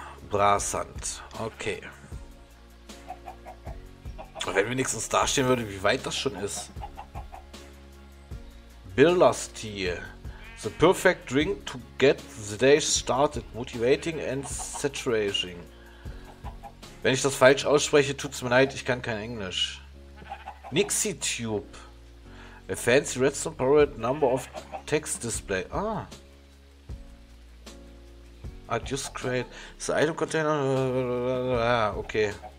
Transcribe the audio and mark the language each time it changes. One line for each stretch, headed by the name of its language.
English: Brassant. Okay.
German: Wenn wenigstens dastehen würde, wie weit das schon ist.
English: Builder's Tea. The perfect drink to get the day started. Motivating and saturating.
German: Wenn ich das falsch ausspreche, tut's mir leid, ich kann kein Englisch.
English: Nixie Tube. A fancy redstone powered number of text display. Ah. I just create the item container. Okay.